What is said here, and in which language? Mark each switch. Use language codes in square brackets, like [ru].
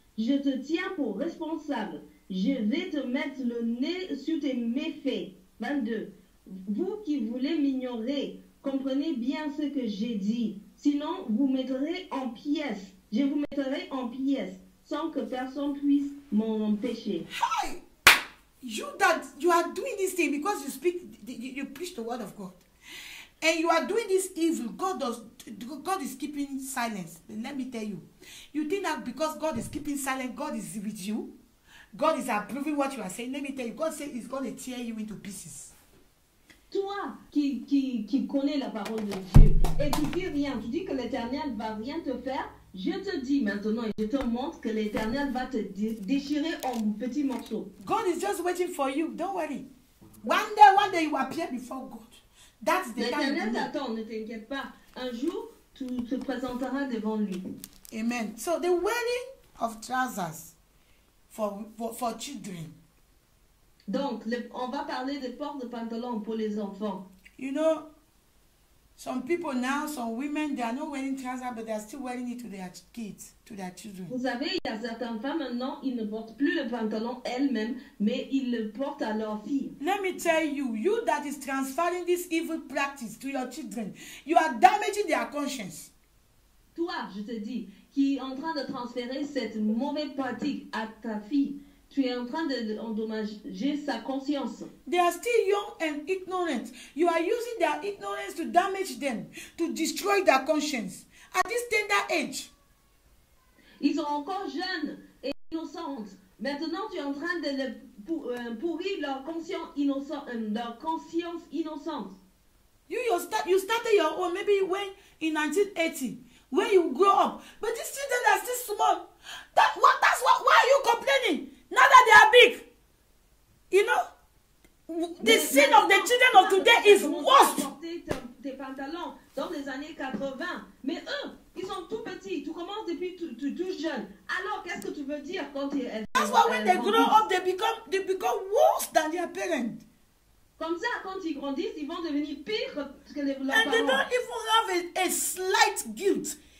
[fr] Je te tiens pour responsable. Je vais te mettre le nez sur tes méfaits. 22. Vous qui voulez m'ignorer, comprenez bien ce que j'ai dit. Sinon, vous mettrez en pièces. Je vous mettrai en pièces sans que personne puisse m'en empêcher. [en] Hi! You are doing this thing because you speak, you preach the word of God. And you are doing this evil. God is keeping silence. Let me tell you. You think that because God is keeping silent, God is with you? God is approving what you are saying. Let me tell you, God said he's going to tear you into pieces. [fr] Toi qui connais la parole de Dieu et tu dis rien, tu dis que l'Éternel va rien te faire, je te dis maintenant et je te montre que l'Éternel va te déchirer en petits morceaux. [en] God is just waiting for you. Don't worry. One day you appear before God. That's the time. [fr] L'Éternel t'attend, ne t'inquiète pas. Un jour, tu te présenteras devant lui. [en] Amen. So the wearing of trousers. For children. [fr] Donc, on va parler de port de pantalon pour les enfants. [en] You know, some people now, some women, they are not wearing trousers, but they are still wearing it to their kids, to their children. [fr] Vous savez, il y a certaines femmes maintenant, ils ne portent plus le pantalon elles-mêmes, mais ils le portent à leurs filles. [en] Let me tell you, you that is transferring this evil practice to your children, you are damaging their conscience. [fr] Toi, je te dis, qui est en train de transférer cette mauvaise pratique à ta fille, tu es en train d'endommager sa conscience. [en] They are still young and ignorant. You are using their ignorance to damage them, to destroy their conscience. At this tender age. [fr] Ils sont encore jeunes et innocents. Maintenant, tu es en train de pourrir leur conscience innocente. [en] You started your own maybe when in 1980. When you grow up, but these children are still small. Why are you complaining? Now that they are big, you know, the sin of the children of today is worse. [fr] Tes pantalons dans les années 80, mais eux, ils sont tout petits. Tu commences depuis tout jeune. Alors qu'est-ce que tu veux dire quand tu es? [en] That's why when they grow up, they become worse than their parents. [fr] Comme ça, quand ils grandissent, ils vont devenir pires que les leurs parents. [en] And they don't even have a slight guilt.